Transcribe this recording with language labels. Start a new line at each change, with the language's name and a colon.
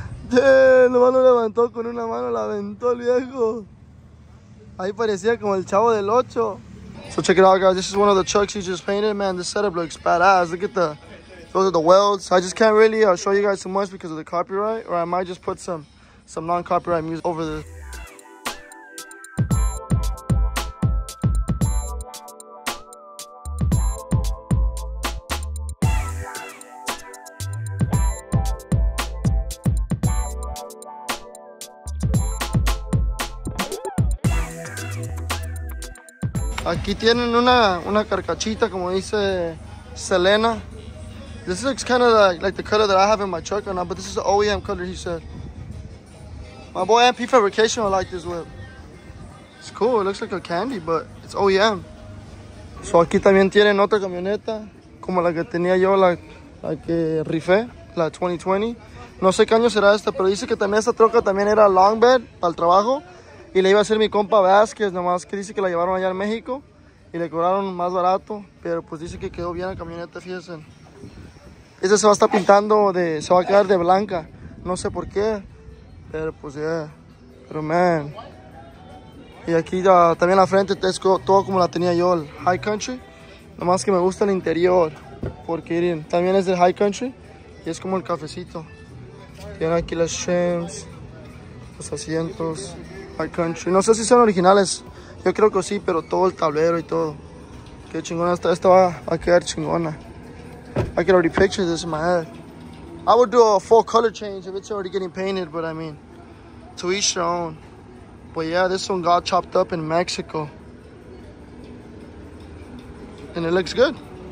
Spanish: Lo mano levantó con una mano, la aventó el viejo. Ahí parecía como el chavo del 8.
English: So check it out, guys. This is one of the trucks he just painted. Man, this setup looks badass. Look at the, those are the welds. I just can't really show you guys too much because of the copyright, or I might just put some non-copyright music over this.
Spanish: Aquí tienen una carcachita, como dice Selena.
English: This looks kind of like the color that I have in my truck right now, but this is the OEM color, he said. My boy MP Fabrication will like this whip. It's cool, it looks like a candy, but it's OEM.
Spanish: So aquí también tienen otra camioneta, como la que tenía yo, la que rifé, la 2020. No sé qué año será esta, pero dice que también esta troca también era long bed para el trabajo. Y le iba a hacer mi compa Vázquez, nomás que dice que la llevaron allá en México y le cobraron más barato, pero pues dice que quedó bien la camioneta, fíjense. Esa se va a estar pintando, se va a quedar de blanca, no sé por qué, pero pues ya, pero man. Y aquí también la frente es todo como la tenía yo, el High Country, nomás que me gusta el interior, porque miren, también es del High Country y es como el cafecito. Tiene aquí las shims, los asientos. High Country, no sé si son originales, yo creo que sí, pero todo el tablero y todo. Qué chingona está, esta va a quedar chingona.
English: I can already picture this in my head. I would do a full color change if it's already getting painted, but I mean, to each their own. But yeah, this one got chopped up in Mexico. And it looks good.